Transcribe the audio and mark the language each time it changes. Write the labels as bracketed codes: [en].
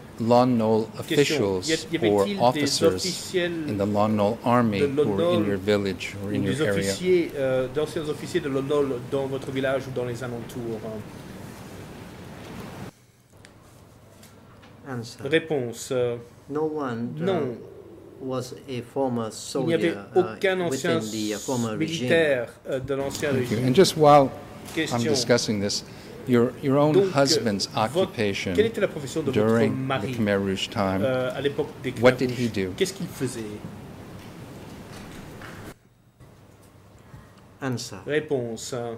[en] Lon Nol officials or officers in the Lon Nol army who are in your village or in your area? [fr] D'anciens officiers de Lon Nol dans votre village ou dans les alentours? [en] Answer. [fr] Réponse. [en] No one. [fr] Non. [en] Was a former soldier. [fr] Il n'y avait aucun ancien militaire de l'ancien régime. [en] And just while I'm discussing this, your own husband's occupation during the Khmer Rouge time. [fr] À l'époque des Khmer Rouge, [en] what did he do? [fr] Qu'est-ce qu'il faisait? [en] Answer. [fr] Réponse.